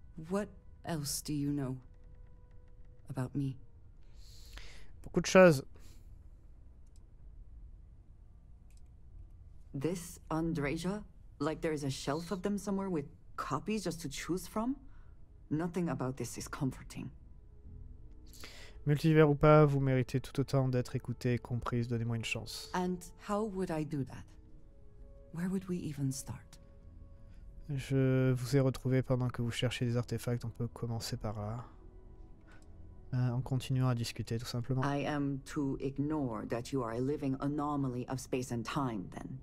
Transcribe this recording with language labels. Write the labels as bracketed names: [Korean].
[English] What else do you know about me? [French] Beaucoup de choses. [English] This Andreja, like there is a shelf of them somewhere with copies just to choose from? Nothing about this is comforting. [French] Multivers ou pas, vous méritez tout autant d'être écouté et comprise, donnez-moi une chance. [English] And how would I do that? Where would we even start? [French] Je vous ai retrouvé pendant que vous cherchiez des artefacts, on peut commencer par là. En continuant à discuter, tout simplement. [English] I am to ignore that you are a living anomaly of space and time, then.